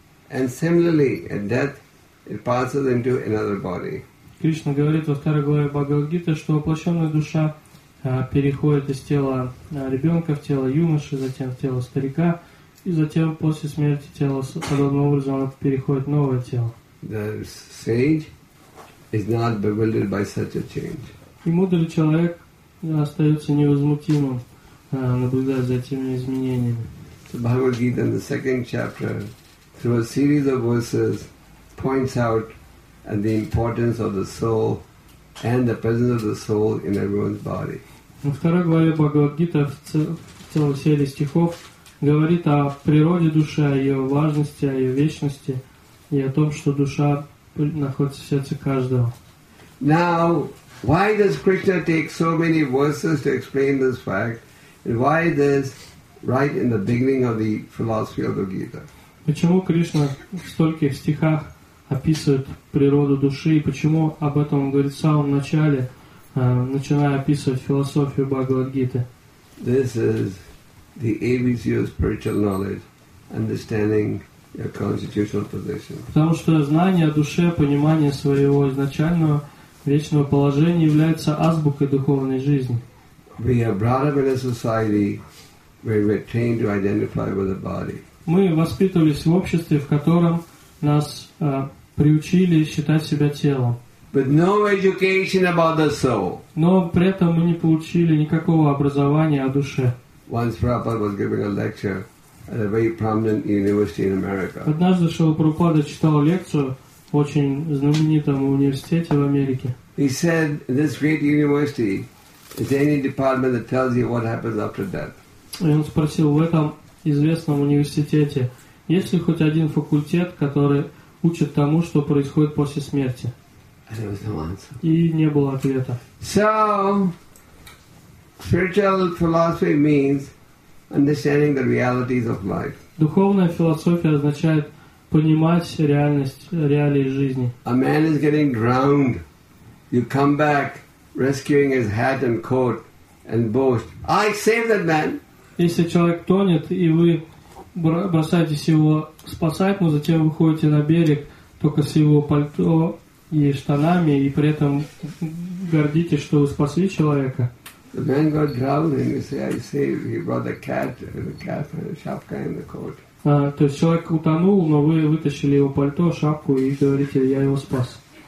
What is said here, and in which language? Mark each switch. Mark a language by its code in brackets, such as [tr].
[en] And similarly at death it passes into another body. [ru] Кришна говорит во второй главе Бхагавад-гиты, что воплощенная душа переходит из тела ребенка в тело юноши, затем в тело старика, и затем после смерти тела подобным образом она переходит в новое тело. [en] The sage is not bewildered by such a change. [ru] И мудрый человек остается невозмутимым, наблюдая за этими изменениями. [en] So Bhagavad-gita in the second chapter, through a series of verses, points out the importance of the soul and the presence of the soul in everyone's body. [ru] Вторая глава Бхагавад-гиты в целой серии стихов говорит о природе души, о ее важности, о ее вечности и о том, что душа находится в сердце каждого. [en] Now, why does Krishna take so many verses to explain this fact, and why is this right in the beginning of the philosophy of the Gita? [ru] Почему Кришна в стольких стихах описывает природу души, и почему об этом он говорит в самом начале, начиная описывать философию Бхагавад-гиты? [en] This is the ABC of spiritual knowledge, understanding your constitutional position. [ru] Потому что знание о душе, понимание своего изначального вечного положения является азбукой духовной жизни. [en] We are brought up in a society where we are trained to identify with the body. [ru] Мы воспитывались в обществе, в котором нас приучили считать себя телом. [en] But no education about the soul. [ru] Но при этом мы не получили никакого образования о душе. [en] Once Prabhupada was giving a lecture at a very prominent university in America. [ru] Однажды Шрила Прабхупада читал лекцию в очень знаменитом университете в Америке. [en] He said, in this great university, is there any department that tells you what happens after death? [ru] И он спросил, в этом известном университете есть ли хоть один факультет, который учат тому, что происходит после смерти. И не было ответа. [en] So, spiritual philosophy means understanding the realities of life. [ru] Духовная философия означает понимать реальность, реалии жизни. [en] A man is getting drowned. you come back rescuing his hat and coat and boast, I saved that man. [ru] Если человек тонет, и вы бросаетесь его спасать, но затем выходите на берег только с его пальто и штанами, и при этом гордитесь, что вы спасли человека. [en] The man got growling, he said, I saved, he brought the cat and the shapka and the coat. [ru] То есть человек утонул, но вы вытащили его пальто, шапку и говорите, я его спас.